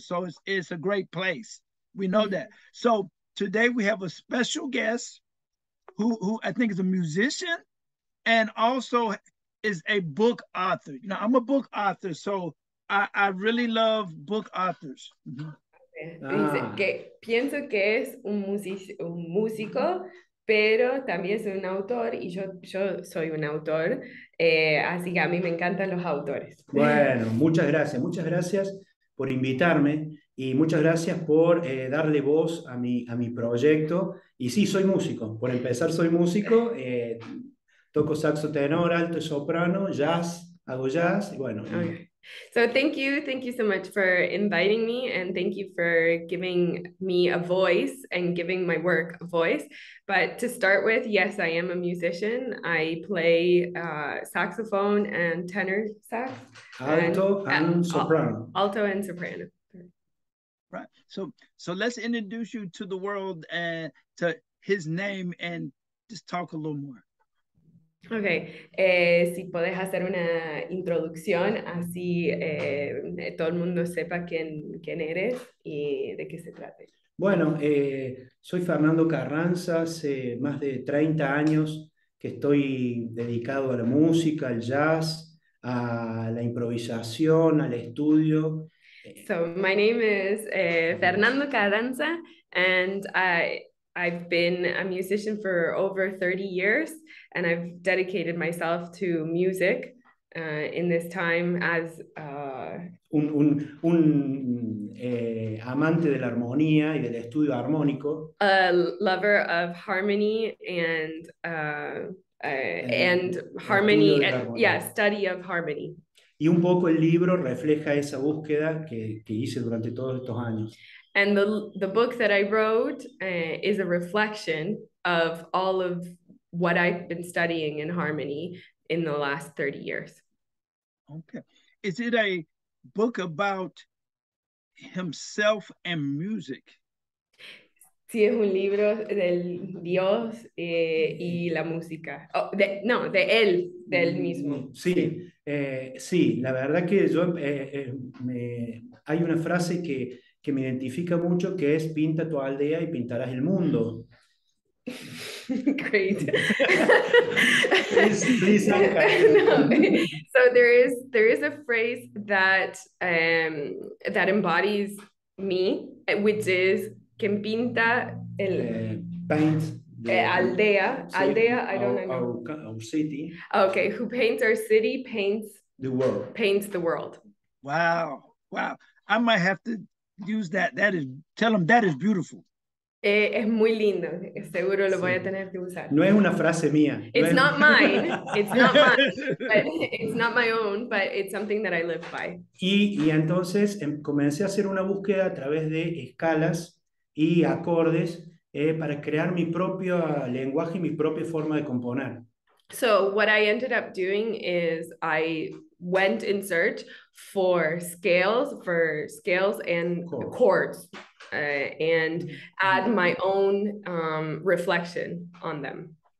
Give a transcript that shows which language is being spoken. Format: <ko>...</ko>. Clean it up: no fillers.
<en>So it's a great place. We know that. So today we have a special guest who I think is a musician and also is a book author. Now, I'm a book author, so I really love book authors.</en> <es>Dice que pienso que es un músico, pero también es un autor, y yo soy un autor, así que a mí me encantan los autores. Bueno, muchas gracias por invitarme, y muchas gracias por darle voz a mi proyecto. Y sí, soy músico, por empezar soy músico, toco saxo tenor, alto y soprano, jazz, hago jazz, y bueno.</es> <en>Okay. So thank you so much for inviting me, and thank you for giving me a voice and giving my work a voice. But to start with, yes, I am a musician. I play saxophone and tenor sax. Alto and soprano. Right. So let's introduce you to the world and to his name and just talk a little more.</en> <es>Okay, si puedes hacer una introducción así todo el mundo sepa quién eres y de qué se trate. Bueno, soy Fernando Carranza, hace más de 30 años que estoy dedicado a la música, al jazz, a la improvisación, al estudio.</es> <en>So my name is Fernando Carranza, and I've been a musician for over 30 years, and I've dedicated myself to music in this time as</en> <es>un amante de la armonía y del estudio armónico.</es> <en>A lover of harmony and harmony, yeah, study of harmony.</en> <es>Y un poco el libro refleja esa búsqueda que hice durante todos estos años.</es> <en>And the book that I wrote is a reflection of all of what I've been studying in harmony in the last 30 years. Okay. Is it a book about himself and music?</en> <es>Sí, es un libro del Dios y la música. Oh, de él, del mismo. Sí, sí, la verdad que yo hay una frase que me identifica mucho, que es pinta tu aldea y pintarás el mundo.</es> <en>Great. please no, so there is a phrase that that embodies me, which is</en> <es>quien pinta el</es> <en>paint the aldea city. Aldea, I don't know. Our city. Okay, who paints our city paints the world. Paints the world. Wow. I might have to use that. That is beautiful.</en> <es>Es muy lindo. Seguro lo sí. Voy a tener que usar. No es una frase mía.</es> <en>It's no not mine. It's not mine. But it's not my own, but it's something that I live by.</en> <es>Y entonces comencé a hacer una búsqueda a través de escalas y acordes para crear mi propio lenguaje y mi propia forma de componer.</es> <en>So what I ended up doing is I went in search for scales and chords, and add my own reflection on them.</en>